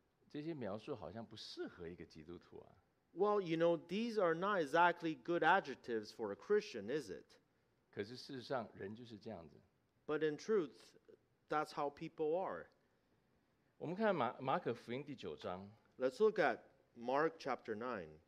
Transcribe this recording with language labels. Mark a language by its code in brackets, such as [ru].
[zh] 这些描述好像不适合一个基督徒啊。 [en] Well, you know, these are not exactly good adjectives for a Christian, is it? [zh] 可是事实上，人就是这样子。 [en] But in truth, that's how people are. [zh] 我们看马可福音第九章。 [en] Let's look at Mark chapter 9.